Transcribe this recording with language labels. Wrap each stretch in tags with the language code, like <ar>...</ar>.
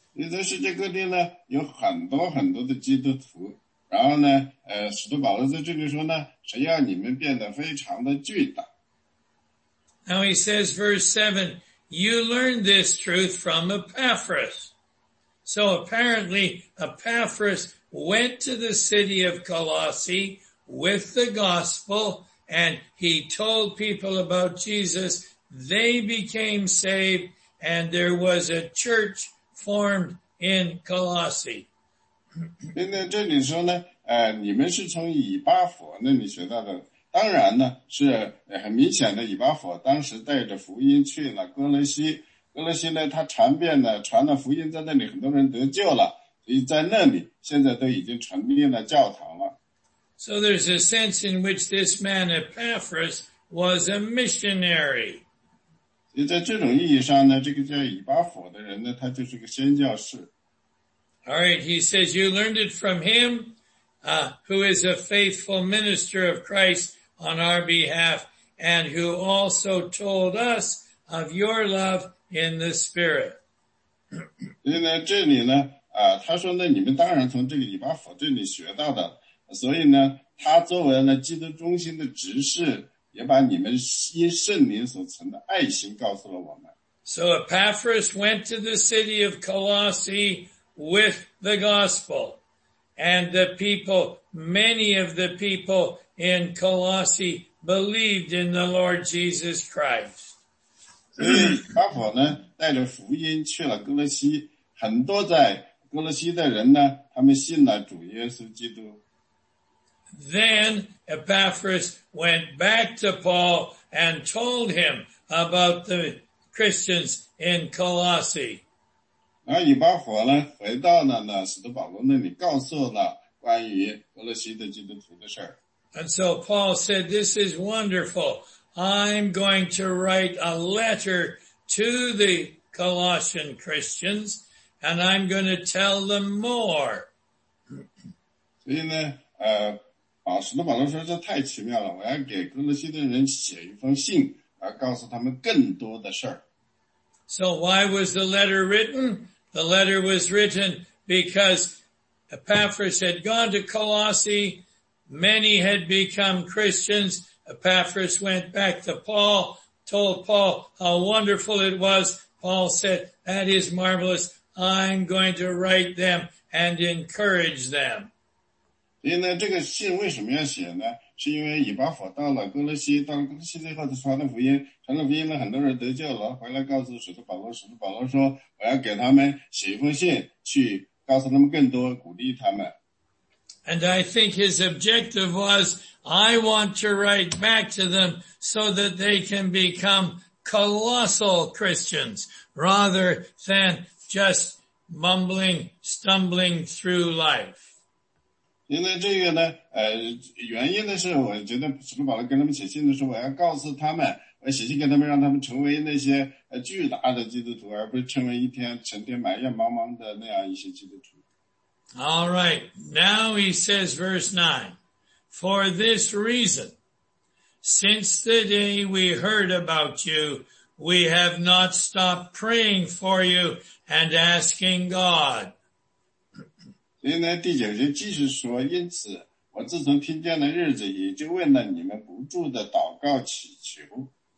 <zh>在世界各地呢，有很多很多的基督徒。然后呢，使徒保罗在这里说呢，谁要你们变得非常的巨大。</zh> <en>Now he says, verse 7, you learned this truth from Epaphras. So apparently, Epaphras went to the city of Colossae with the gospel, and he told people about Jesus. They became saved, and there was a church formed in Colossae.</en> <zh>因为这里说呢，你们是从以巴弗那里学到的。当然呢，是很明显的，以巴弗当时带着福音去了哥罗西。哥罗西呢，他传遍了，传了福音，在那里很多人得救了，所以在那里现在都已经成立了教堂了。</zh> <en>So there's a sense in which this man Epaphras was a missionary.</en> <zh>所以在这种意义上呢，这个叫以巴弗的人呢，他就是个宣教士。</zh> <en>All right, he says you learned it from him, who is a faithful minister of Christ on our behalf, and who also told us of your love. In the spirit.</en> <zh>所以呢，这里呢，他说呢，你们当然从这个以巴弗这里学到的，所以呢，他作为呢基督中心的执事，也把你们因圣灵所存的爱心告诉了我们。</zh> <en>So Epaphras went to the city of Colossae with the gospel, and the people, many of the people in Colossae believed in the Lord Jesus Christ.</en> <zh>巴甫呢带着福音去了哥罗西，很多在哥罗西的人呢，他们信了主耶稣基督。</zh> <en>Then Epaphras went back to Paul and told him about the Christians in Colossae.</en> <zh>然后以巴弗呢回到了呢使徒保罗那里，告诉了关于哥罗西的基督徒的事儿。</zh> <en>And so Paul said, "This is wonderful. I'm going to write a letter to the Colossian Christians and I'm going to tell them more.</en> <zh>所以呢，啊，使徒保罗说这太奇妙了，我要给哥罗西的人写一封信，而告诉他们更多的事儿。</zh> <en>So why was the letter written? The letter was written because Epaphras had gone to Colossae, many had become Christians. Epaphras went back to Paul, told Paul how wonderful it was. Paul said, that is marvelous. I'm going to write them and encourage them.</en> <zh>所以呢，这个信为什么要写呢？是因为以巴弗到了哥罗西，到了哥罗西之后，他传了福音，传了福音呢，很多人得救了，回来告诉使徒保罗，使徒保罗说，我要给他们写一封信，去告诉他们更多，鼓励他们。</zh> <en>And I think his objective was, I want to write back to them so that they can become colossal Christians rather than just mumbling, stumbling through life.</en> <zh>因为这个呢，原因呢是我觉得使徒保罗跟他们写信的时候，我要告诉他们，我写信给他们，让他们成为那些巨大的基督徒，而不是成为一天成天埋怨茫茫的那样一些基督徒。</zh> <en>All right, now he says verse 9. For this reason, since the day we heard about you, we have not stopped praying for you and asking God.</en> <zh>所以呢，第九节继续说，因此我自从听见的日子里，就为了你们不住的祷告祈求。</zh>